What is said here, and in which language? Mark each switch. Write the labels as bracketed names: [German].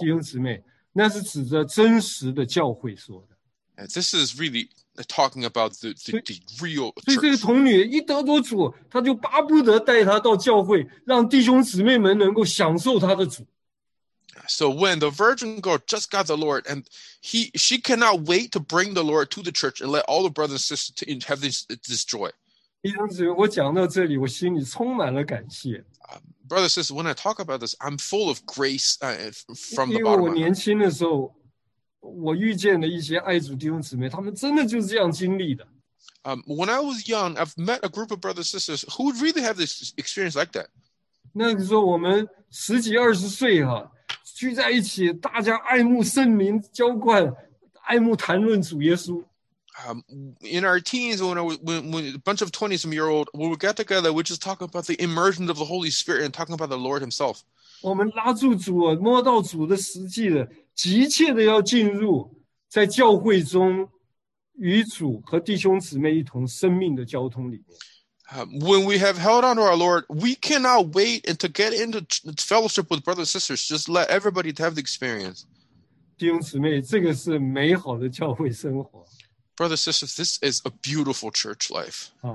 [Chinese] 弟兄姊妹，那是指着真实的教会说的。 [English] This is really talking about the real church. [Chinese] 所以这个童女一得着主，她就巴不得带她到教会，让弟兄姊妹们能够享受她的主。 [English] So when the virgin girl just got the Lord, and she cannot wait to bring the Lord to the church and let all the brothers and sisters have this joy. [Chinese] 弟兄姊妹，我讲到这里，我心里充满了感谢。 [English] Brothers and sisters, when I talk about this, I'm full of grace from the bottom. [Chinese] 因为我年轻的时候。我遇见了一些爱主弟兄姊妹，他们真的就是这样经历的。 [English] When I was young, I've met a group of brothers and sisters who really have this experience like that. [Chinese] 那个时候我们十几二十岁哈，聚在一起，大家爱慕圣灵浇灌，爱慕谈论主耶稣。 [English] In our teens, when a bunch of 20-some-year-old, we would get together, we just talk about the immersion of the Holy Spirit and talking about the Lord Himself. [Chinese] 我们拉住主，摸到主的实际的。急切的要进入在教会中与主和弟兄姊妹一同生命的交通里面。 [English] When we have held on to our Lord, we cannot wait to get into fellowship with brothers and sisters. Just let everybody have the experience. [Chinese] 弟兄姊妹，这个是美好的教会生活。 [English] Brothers and sisters, this is a beautiful church life.